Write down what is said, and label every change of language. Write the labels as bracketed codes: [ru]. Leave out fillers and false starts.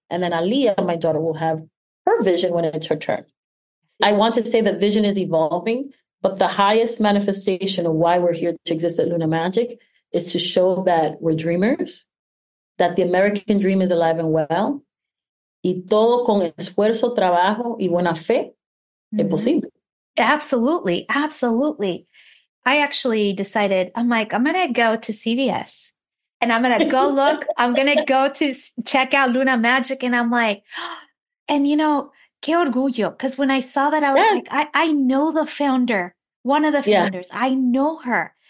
[en] And then Aliyah, my daughter, will have her vision when it's her turn. I want to say that vision is evolving, but the highest manifestation of why we're here to exist at Luna Magic is to show that we're dreamers, that the American dream is alive and well. [es] Y todo con esfuerzo, trabajo y buena fe, es posible. [en] Absolutely. Absolutely. I actually decided, I'm like, I'm going to go to CVS. And I'm going to go look, I'm going to go to check out Luna Magic. And I'm like, and you know, [es] qué orgullo. [en] Because when I saw that, I was like, I know the founder, one of the founders. Yeah. I know her.